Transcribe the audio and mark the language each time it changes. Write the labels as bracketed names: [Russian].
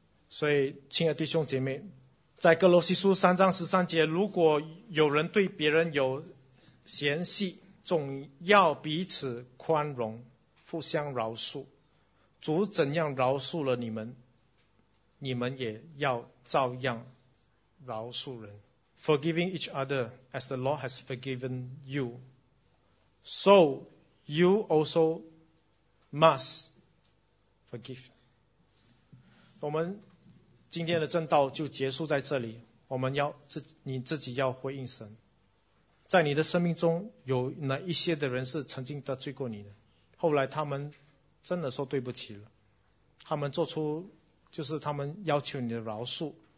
[Chinese] 所以亲爱弟兄姐妹，在哥罗西书三章十三节，如果有人对别人有嫌隙，总要彼此宽容，互相饶恕，主怎样饶恕了你们，你们也要照样饶恕人。 [English] Forgiving each other as the Lord has forgiven you, so you also must forgive. [Chinese] 我们今天的正道就结束在这里，我们要你自己要回应神，在你的生命中有哪一些的人是曾经得罪过你的，后来他们真的说对不起了，他们做出就是他们要求你的饶恕，